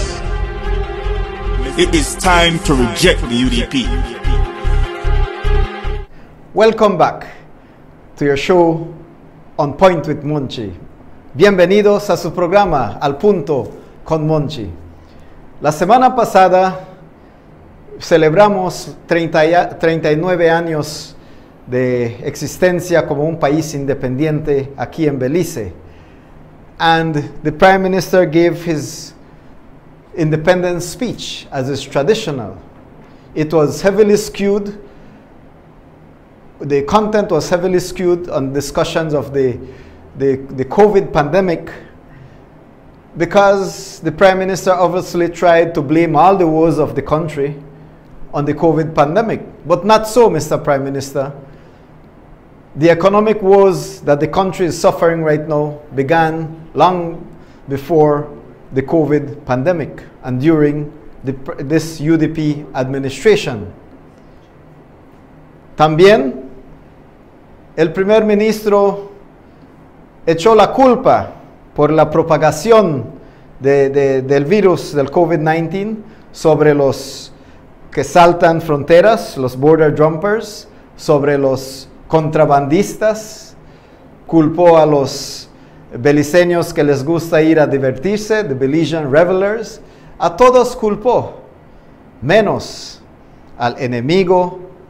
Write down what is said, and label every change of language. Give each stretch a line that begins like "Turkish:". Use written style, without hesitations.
English: Not all of us. It is time to reject the UDP. Welcome back to your show On Point with Monchi.
Spanish: Bienvenidos a su programa Al Punto con Monchi. La semana pasada celebramos 39 años de existencia como un país independiente aquí en Belice.
English: And the Prime Minister gave his independence speech, as is traditional. It was heavily skewed. The content was heavily skewed on discussions of the COVID pandemic, because the Prime Minister obviously tried to blame all the woes of the country on the COVID pandemic. But not so, Mr. Prime Minister. The economic woes that the country is suffering right now began long before the COVID pandemic and during this UDP administration.
Spanish: También el primer ministro echó la culpa por la propagación del virus del COVID-19 sobre los que saltan fronteras, los
English: border jumpers,
Spanish: sobre los contrabandistas, culpó a los beliceños que les gusta ir a divertirse,
English: the Belizean revelers,
Spanish: a todos culpó, menos al enemigo